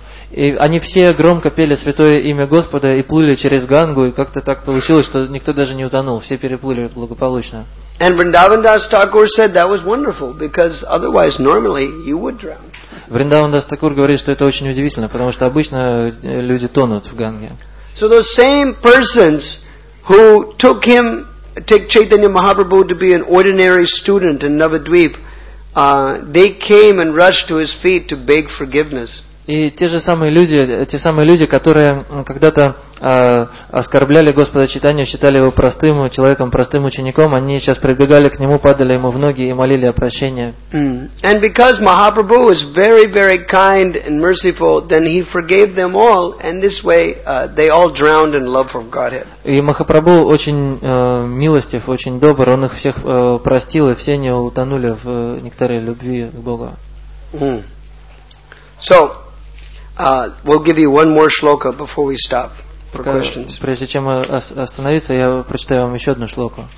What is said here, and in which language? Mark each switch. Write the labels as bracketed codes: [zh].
[ru] И они все громко пели святое имя Господа и плыли через Гангу, и как-то так получилось, что никто даже не утонул, все переплыли благополучно. [en] And Vrindavan Das Thakur said that was wonderful because otherwise normally you would drown. [ru] Vrindavan Das Thakur говорит, что это очень удивительно, потому что обычно люди тонут в Ганге. [en] So those same persons who took him, take Chaitanya Mahaprabhu to be an ordinary student in Navadvip, they came and rushed to his feet to beg forgiveness. [ru] И те самые люди, которые когда-то оскорбляли Господа Читания, считали его простым человеком, простым учеником, они сейчас прибегали к нему, падали ему в ноги и молили о прощении. [en] And because Mahaprabhu is very, very kind and merciful, then he forgave them all, and this way they all drowned in love from Godhead. [ru] И Махапрабху очень милостив, очень добр, он их всех простил, и все они утонули в нектаре любви к Богу. [en] So, we'll give you one more shloka before we stop for questions. [ru] Прежде чем остановиться, я прочитаю вам еще одну шлоку.